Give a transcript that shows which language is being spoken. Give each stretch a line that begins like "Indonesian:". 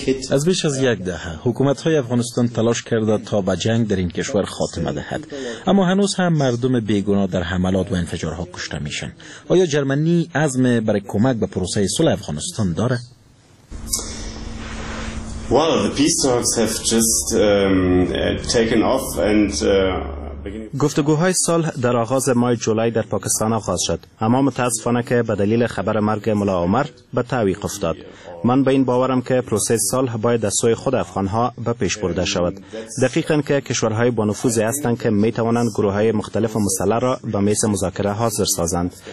Persian: از بیش از یک دهه حکومت های افغانستان تلاش کرده تا به جنگ در این کشور خاتمه دهد، اما هنوز هم مردم بیگناه در حملات و انفجارها کشته میشن. آیا جرمنی عزم برای کمک به پروسه صلح افغانستان داره؟
English: Well, the peace talks have just taken off and
Persian: گفتگوهای صلح در آغاز ماه جولای در پاکستان آغاز شد، اما متاسفانه که به دلیل خبر مرگ ملا عمر به تعویق افتاد. من به این باورم که پروسه صلح باید از سوی خود افغانها به پیش برده شود. دقیقاً که کشورهای با نفوذ هستند که می توانند گروهای مختلف مسلح را به میز مذاکره حاضر سازند.